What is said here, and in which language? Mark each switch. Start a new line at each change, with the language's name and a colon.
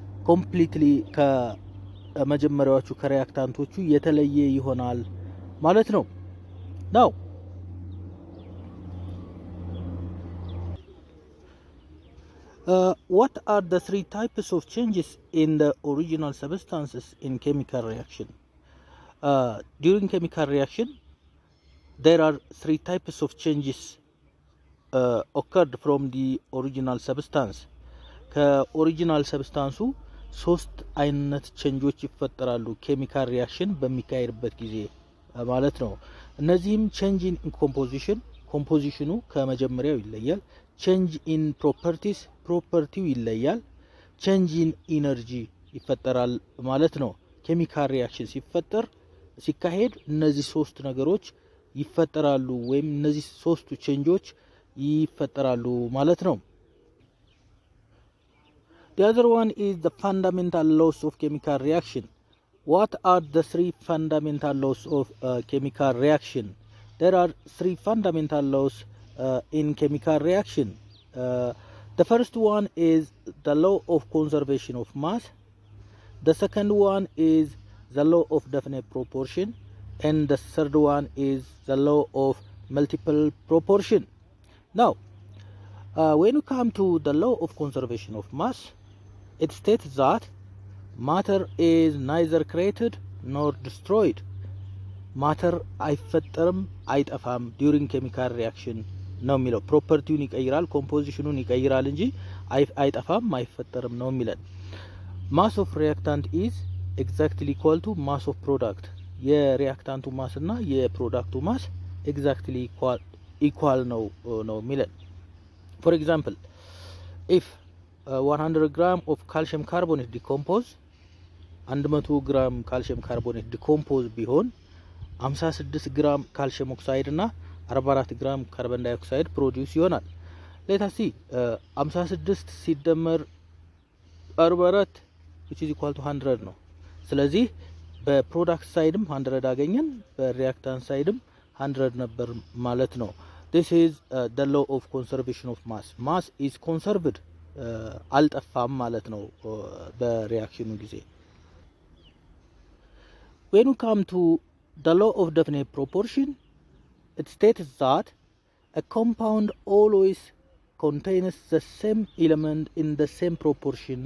Amharic: ኮምፕሊትሊ ከመጀመሪያዎቹ ከሪያክታንቶቹ የተለየ ይሆናል ማለት ነው። ናው
English: what are the three types of changes in the original substances in chemical reaction? During chemical reaction there are three types of changes occurred from the original substance.
Amharic: ከ ኦሪጅናል ሰብስታንሱ ሶስት አይነት ቼንጆች ይፈጠራሉ ኬሚካል ሪአክሽን በሚካሄድበት ጊዜ ማለት ነው። እነዚህም
English: change in composition,
Amharic: ኮምፖዚሽኑ ከመጀመሪያው ይለያል።
English: change in properties,
Amharic: ፕሮፐርቲው ይለያል።
English: ቼንጅ ኢን ኢነርጂ
Amharic: ይፈጠራል ማለት ነው። ኬሚካል ሪአክሽን ሲፈጠር ሲካሄድ እነዚህ ሶስት ነገሮች ይፈጠራሉ ወይም እነዚህ ሶስቱ ቼንጆች ይፈጠራሉ ማለት ነው።
English: ዲ አዘር ዋን ኢዝ ዘ ፋንዳሜንታል ሎስ ኦፍ ኬሚካል ሪአክሽን። ዋት አር ዘ ስሪ ፋንዳሜንታል ሎስ ኦፍ ኬሚካል ሪአክሽን? ዴር አር ስሪ ፋንዳሜንታል ሎስ ኢን ኬሚካል ሪአክሽን። The first one is the law of conservation of mass. The second one is the law of definite proportion. And the third one is the law of multiple proportion. Now, when we come to the law of conservation of mass, it states that matter is neither created nor destroyed. Matter
Amharic: አይፈጠርም አይጠፋም
English: during chemical reaction.
Amharic: ነው የሚለው ፕሮፐርቲውን ይቀይራል ኮምፖዚሽኑን ይቀይራል እንጂ አይጠፋም አይፈጠርም ነው የሚለን።
English: ማስ ኦፍ ሪአክታንት ኢዝ ኤግዛክትሊ ኢኳል ቱ ማስ ኦፍ ፕሮዳክት።
Amharic: የሪአክታንቱ ማስ እና የፕሮዳክቱ ማስ ኤግዛክትሊ ኢኳል ነው የሚለን።
English: ፎር ኤግዛምፕል ኢፍ 100 ግራም ኦፍ ካልሽየም ካርቦኔት ዲኮምፖዝ
Amharic: 100 ግራም ካልሽየም ካርቦኔት ዲኮምፖዝ ቢሆን 56 ግራም ካልሽየም ኦክሳይድ እና 44 ግራም ካርቦን ዳይኦክሳይድ ፕሮዲዩስ ይሆናል።
English: ሌት አስ ሲ
Amharic: 56 ሲደመር
English: 44 which is equal to 100
Amharic: ነው። ስለዚህ በፕሮዳክት ሳይድም 100 አገኘን በሪአክታንት ሳይድም 100 ነበር ማለት ነው።
English: this is the law of conservation of mass. mass is conserved
Amharic: አልጠፋም ማለት ነው በሪአክሽኑ ጊዜ።
English: when we come to the law of definite proportion, it states that a compound always contains the same element in the same proportion.